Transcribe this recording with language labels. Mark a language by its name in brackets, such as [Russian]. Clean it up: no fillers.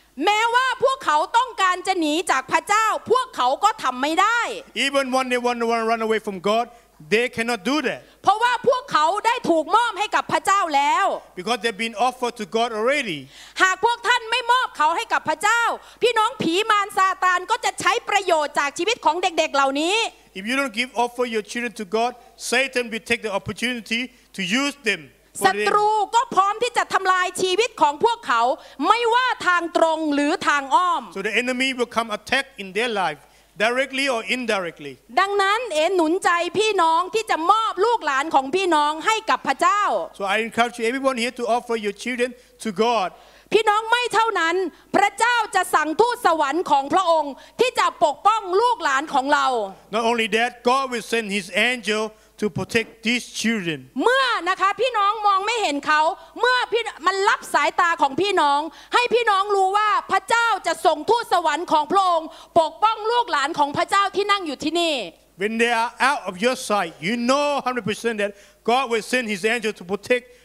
[Thai] แม้ว่าพวกเขาต้องการจะหนีจากพระเจ้าพวกเขาก็ทำไม่ได้ [English] Even when they want to run away from God, they cannot do that. [Thai] เพราะว่าพวกเขาได้ถูกมอบให้กับพระเจ้าแล้ว [English] Because they've been offered to God already. [Thai] หากพวกท่านไม่มอบเขาให้กับพระเจ้าพี่น้องผีมารซาตานก็จะใช้ประโยชน์จากชีวิตของเด็กๆเหล่านี้ [English] If you don't give offer your children to God, Satan will take the opportunity to use them. [Thai] ศัตรูก็พร้อมที่จะทำลายชีวิตของพวกเขาไม่ว่าทางตรงหรือทางอ้อม [English] So the enemy will come attack in their life, directly or indirectly. [Thai] ดังนั้นเอ๋หนุนใจพี่น้องที่จะมอบลูกหลานของพี่น้องให้กับพระเจ้า [English] So I encourage everyone here to offer your children to God. [Thai] พี่น้องไม่เท่านั้นพระเจ้าจะสั่งทูตสวรรค์ของพระองค์ที่จะปกป้องลูกหลานของเรา [English] Not only that, God will send His angel to protect these children. [Thai] เมื่อนะคะพี่น้องมองไม่เห็นเขาเมื่อพี่มันลับสายตาของพี่น้องให้พี่น้องรู้ว่าพระเจ้าจะส่งทูตสวรรค์ของพระองค์ปกป้องลูกหลานของพระเจ้าที่นั่งอยู่ที่นี่ [English] When they are out of your sight, you know 100% that God will send His angel to protect.